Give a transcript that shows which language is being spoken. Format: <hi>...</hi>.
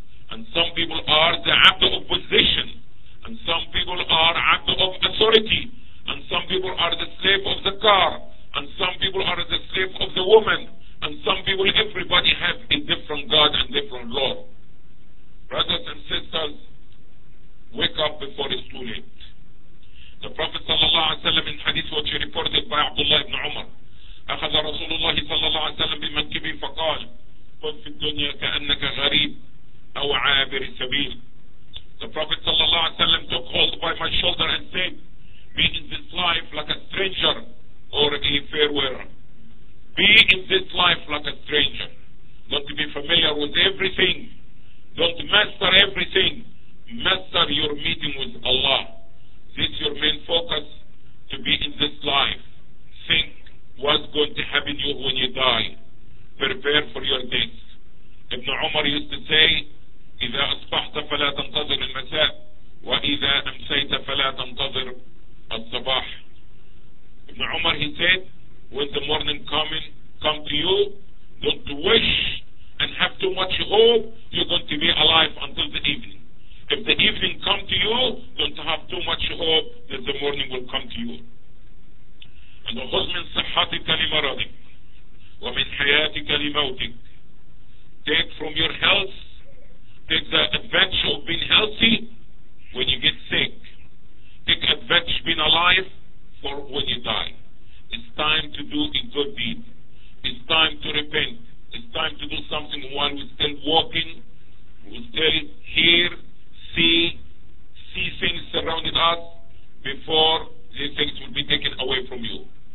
<en>and some people are the act of opposition, and some people are act of authority, and some people are the slave of the car, and some people are the slave of the woman, and some people, everybody has a different God and different law. Brothers and sisters, wake up before it's too late. The Prophet sallallahu alaihi wasallam in hadith which was reported by Abdullah ibn Umar,</en> <ar>أخذ رسول الله صلى الله عليه وسلم بمنكبه فقال كن في الدنيا كأنك غريب أو عابر سبيل.</ar> <en>The Prophet</en> <ar>صلى الله عليه وسلم</ar> <en>took hold by my shoulder and said, be in this life like a stranger or a farewell. Be in this life like a stranger. Don't be familiar with everything. Don't master everything. Master your meeting with Allah. This is your main focus, to be in this life. Think what's going to happen to you when you die. Prepare for your death. Ibn Umar used to say,</en> <ar>إِذَا أَصْبَحْتَ فَلَا تَنْتَظِرِ الْمَسَاءِ وَإِذَا أَمْسَيْتَ فَلَا تَنْتَظِرِ الصَّبَاحِ.</ar> <en>Ibn Umar, he said, when the morning come to you, don't wish and have too much hope, you're going to be alive until the evening. If the evening come to you, don't have too much hope that the morning will come to you. And</en> <ar>خذ من صحتك لمرضك ومن حياتك لموتك.</ar> <en>Take from your health, take the advantage of being healthy when you get sick. Take advantage of being alive for when you die. It's time to do a good deed. It's time to repent. It's time to do something while we're still walking, we're still here, see things surrounding us before these things will be taken away from you.</en>